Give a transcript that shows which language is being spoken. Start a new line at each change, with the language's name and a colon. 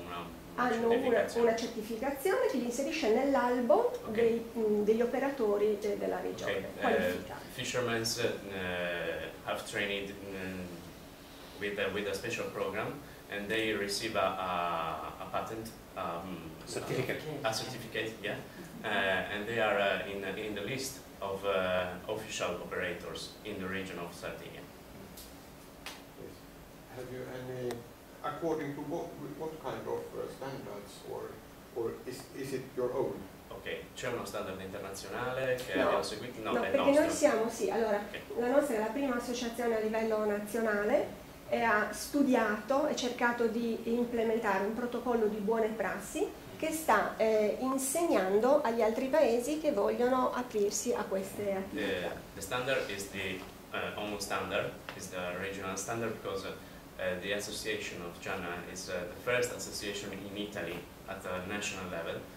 Italian: una certificazione che li inserisce nell'albo degli operatori della regione.
English: Fishermen have trained with a special program and they receive a patent. A certificate, yeah. And they are in the list of official operators in the region of Sardinia. Yes. Have you any, according to what kind of standards or is it your own?
Italian: Okay, c'è uno standard internazionale che abbiamo seguito? No, perché noi siamo, sì, allora, la nostra è la prima associazione a livello nazionale e ha studiato e cercato di implementare un protocollo di buone prassi che sta insegnando agli altri paesi che vogliono aprirsi a queste attività.
English: The standard is the almost standard, is the regional standard, because the association of Gianna is the first association in Italy at the national level.